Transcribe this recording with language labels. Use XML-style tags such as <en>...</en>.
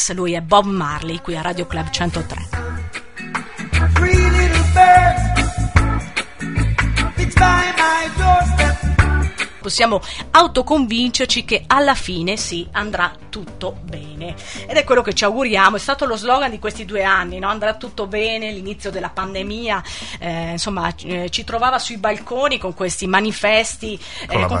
<it>Lui è Bob Marley, qui a Radio Club 103.</it> <en>Three little birds, it's by my doorstep.</en> <it>Possiamo autoconvincerci che alla fine sì, andrà tutto bene, ed è quello che ci auguriamo. È stato lo slogan di questi due anni, no? Andrà tutto bene, l'inizio della pandemia, insomma ci trovava sui balconi con questi manifesti, con</it>